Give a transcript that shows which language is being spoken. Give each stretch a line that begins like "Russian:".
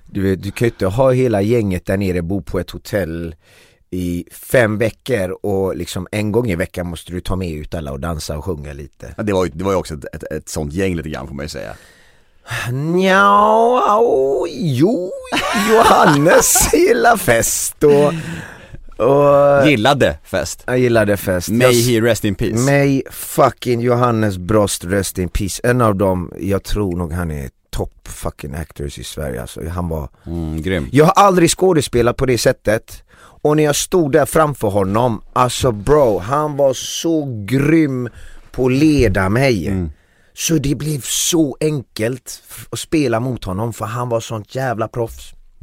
Swedish: Du kan ju inte ha hela gänget där nere, bo på ett hotell i 5 veckor och liksom en gång i veckan måste du ta med ut alla och dansa och sjunga lite. Ja, det var ju också ett sånt gäng lite grann, får man ju säga. Nja, jo, Johannes gillar fest och gillade fest. Jag gillade fest.
English: May he rest in peace. May fucking Johannes Brost rest in peace.
Swedish: En av dem, jag tror nog han är
English: top fucking actors
Swedish: i Sverige. Alltså, han var grym. Jag har aldrig skådespelat på det sättet. Och när jag stod där framför honom, alltså bro, han var så grym på att leda mig. Så det blev så enkelt att spela mot honom, för han var sånt jävla proffs.